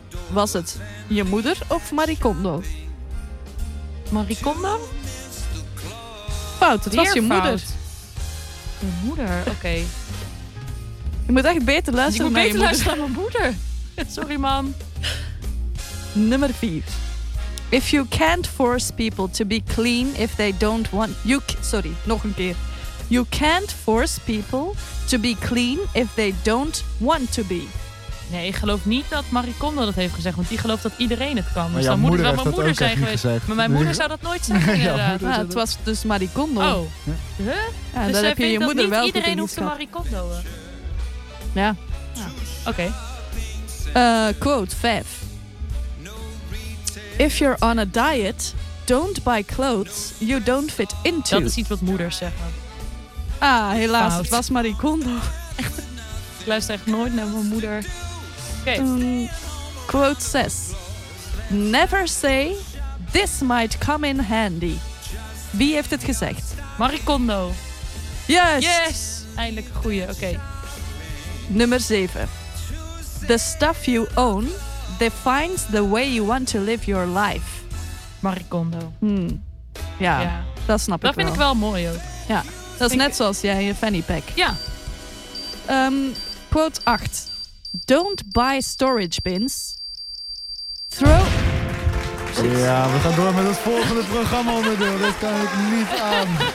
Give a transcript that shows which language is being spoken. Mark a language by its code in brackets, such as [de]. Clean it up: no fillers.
[nl] Was het je moeder of Marie Kondo? Marie Kondo? Fout, het was je moeder. Je moeder, oké. Je moet echt beter luisteren naar je moeder. Ik moet beter luisteren naar mijn moeder. Sorry, mam. Nummer 4. [en] If you can't force people to be clean if they don't want... Sorry, [nl] nog een keer. [en] You can't force people to be clean if they don't want to be. [nl] Nee, ik geloof niet dat Marie Kondo dat heeft gezegd, want die gelooft dat iedereen het kan. Maar dus dan moet het wel mijn moeder zijn geweest. Maar mijn moeder zou dat nooit zeggen, inderdaad. Ja, het was dus Marie Kondo. Oh. Huh? Ja, dus zij vindt je moeder dat wel niet iedereen hoeft te Marie Kondo'en. Ja. Oké. Quote 5. [en] If you're on a diet, don't buy clothes you don't fit into. [nl] Dat is iets wat moeders zeggen. Ah, helaas. Fout. Het was Marie Kondo. Ik luister echt nooit naar mijn moeder. [en] Okay. Quote 6. Never say, this might come in handy. [nl] Wie heeft het gezegd? Marie Kondo. [en] Yes. [nl] Yes. Eindelijk een goeie. Oké. Nummer 7. [en] The stuff you own defines the way you want to live your life. [nl] Marie Kondo. Ja, dat snap dat ik wel. Dat vind ik wel mooi ook. Ja, dat is net zoals jij je fanny pack. Ja. [en] Quote 8. Don't buy storage bins. Throw... [nl] Ja, we gaan door met het volgende programma onderdeel. Dat kan ik niet aan.